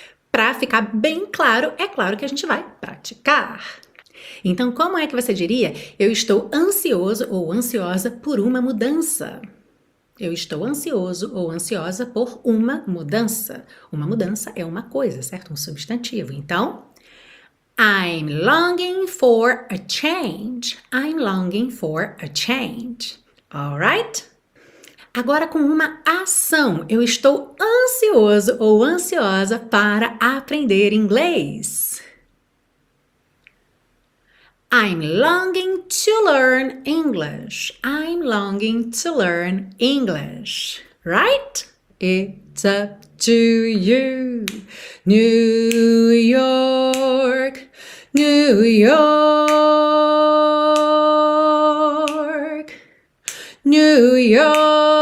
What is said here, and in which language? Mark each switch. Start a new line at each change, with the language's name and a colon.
Portuguese: Para ficar bem claro, é claro que a gente vai praticar. Então, como é que você diria, eu estou ansioso ou ansiosa por uma mudança? Eu estou ansioso ou ansiosa por uma mudança. Uma mudança é uma coisa, certo? Um substantivo.
English: Então, I'm longing for a change. I'm longing for a change. All right?
Portuguese: Agora com uma ação. Eu estou ansioso ou ansiosa para aprender inglês.
English: I'm longing to learn English. I'm longing to learn English. Right? It's up to you, New York, New York, New York.